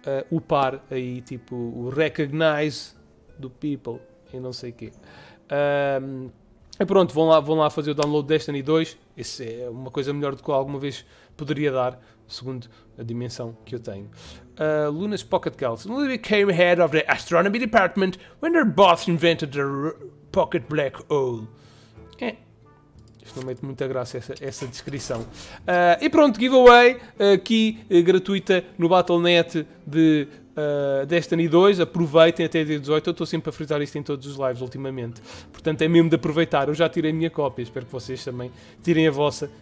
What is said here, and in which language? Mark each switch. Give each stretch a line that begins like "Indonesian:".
Portuguese: Upar aí, tipo, o recognize do people e não sei o quê. E pronto, vão lá fazer o download Destiny 2. Isso é uma coisa melhor do que alguma vez poderia dar, segundo a dimensão que eu tenho.
English: Luna's Pocket Gals. Luna became head of the astronomy department when their boss invented the pocket black hole.
Portuguese: Isto não mete muita graça, essa descrição. E pronto, giveaway aqui gratuita no Battle.net de Destiny 2. Aproveitem até dia 18. Eu estou sempre a frisar isto em todos os lives ultimamente. Portanto, é mesmo de aproveitar. Eu já tirei a minha cópia. Espero que vocês também tirem a vossa.